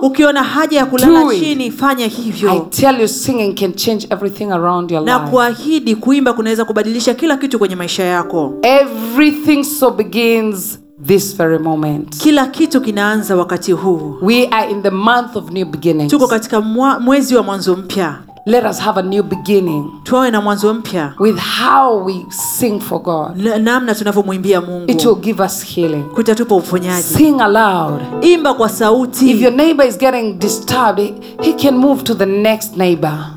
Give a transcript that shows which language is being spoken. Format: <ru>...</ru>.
<sw>ukiona haja kulala chini, fanya hivyo.</sw> <en>I tell you, singing can change everything around your life.</en> <sw>Na kuahidi kuimba kunaweza kubadilisha kila kitu kwenye maisha yako.</sw> <en>Everything so begins this very moment.</en> <sw>Kila kitu kinaanza wakati huu.</sw> <en>We are in the month of new beginnings.</en> <sw>Tuko katika mwezi wa mwanzo mpya.</sw> <en>Let us have a new beginning.</en> <sw>Tuwe na mwanzo mpya.</sw> <en>With how we sing for God.</en> <sw>Namna tunavyomwimbia Mungu.</sw> <en>It will give us healing.</en> <sw>Kutatupa uponyaji.</sw> <en>Sing aloud.</en> <sw>Imba kwa sauti.</sw> <en>If your neighbor is getting disturbed, he can move to the next neighbor.</en>